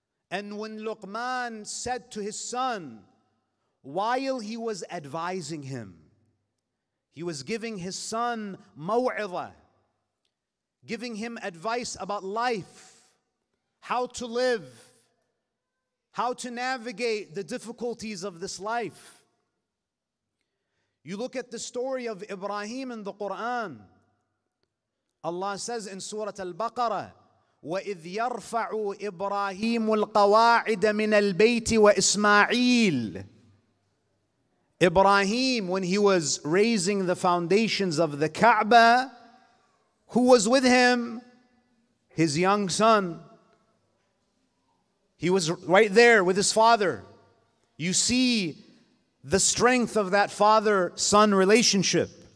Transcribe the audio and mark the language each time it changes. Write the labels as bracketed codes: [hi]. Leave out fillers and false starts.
[en] And when Luqman said to his son, while he was advising him, he was giving his son maw'idha, giving him advice about life, how to live, how to navigate the difficulties of this life. You look at the story of Ibrahim in the Quran. Allah says in Surah Al-Baqarah, [ar] وَإِذْ يَرْفَعُ إِبْرَاهِيمُ الْقَوَاعِدَ مِنَ الْبَيْتِ وَإِسْمَاعِيلِ. [en] Ibrahim, when he was raising the foundations of the Kaaba, who was with him? His young son. He was right there with his father. You see the strength of that father-son relationship.